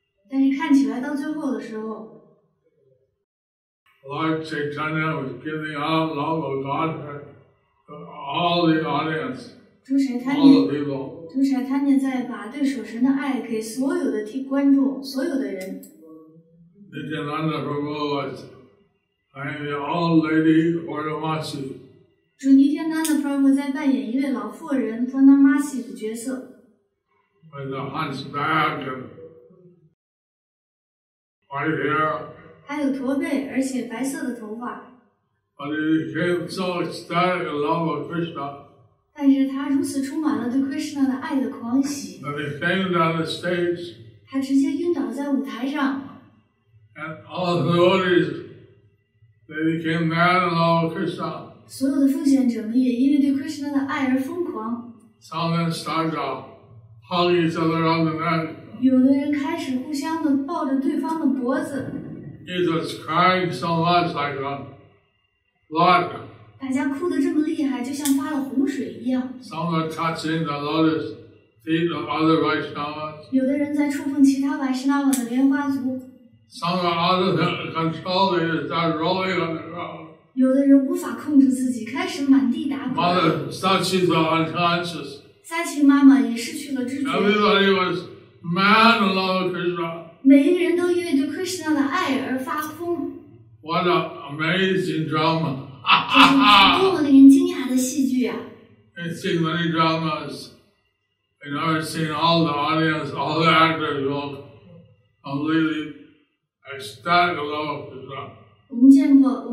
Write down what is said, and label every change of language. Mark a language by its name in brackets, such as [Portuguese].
[Chinese] 但是看起来到最后的时候, [English] Lord Chaitanya was giving out love of Godhead to all the audience, [Chinese] 主柴坦尼, [English] all the people. [Chinese] 主柴坦尼在把对手神的爱给所有的观众，所有的人。 [English] Nityananda Prabhu was playing the old lady Purnamasi. With a hunchback and white hair. [Chinese] 还有驼背而且白色的头发. [English] But he became so ecstatic in love with Krishna. [Chinese] 但是他如此充满了对Krishna的爱的狂喜. [English] That he fell down the stage. [Chinese] 他直接晕倒在舞台上. [English] And all the devotees, they became mad in love with Krishna. [Chinese] 所有的奉献者们也因为对Krishna的爱而疯狂. [English] Some of them started to hug each other on the neck. [Chinese] 有的人开始互相地抱着对方的脖子. [English] He was crying so much like a flood. [Chinese] 大家哭得这么厉害，就像发了洪水一样. [English] Some were touching the lotus feet of other Vaishnavas. [Chinese] 有的人在触碰其他Vaishnava的莲花足. [English] Some were out of control, they started rolling on the ground. [Chinese] 有的人无法控制自己，开始满地打滚. [English] Mother Sachi was unconscious. [Chinese] Sachi妈妈也失去了知觉. [English] Everybody was mad in love with Krishna. [Chinese] 每一个人都因为对Krishna的爱而发疯. [English] What an amazing drama. [Chinese] 这是多么令人惊讶的戏剧啊. [English] I've seen many dramas. And I've seen all the audience, all the actors look completely ecstatic in love with Krishna.